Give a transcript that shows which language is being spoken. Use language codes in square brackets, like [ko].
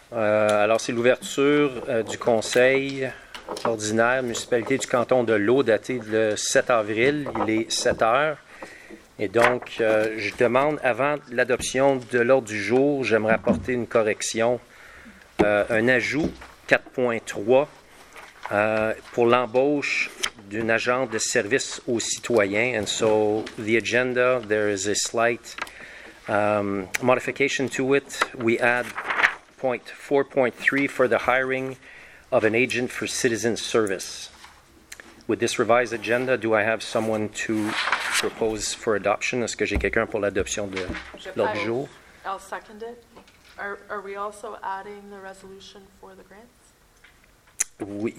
[fr] Alors, c'est l'ouverture du conseil ordinaire municipalité du canton de Lau, daté le 7 avril. Il est 7 heures. Et donc, je demande, avant l'adoption de l'ordre du jour, j'aimerais apporter une correction, un ajout 4.3 pour l'embauche d'une agente de service aux citoyens. [en] And so, the agenda, there is a slight modification to it. We add point 4.3 for the hiring of an agent for citizen service. With this revised agenda, do I have someone to propose for adoption? [fr] Est-ce que j'ai quelqu'un pour l'adoption de l'ordre du jour? [en] I'll second it. Are we also adding the resolution for the grants?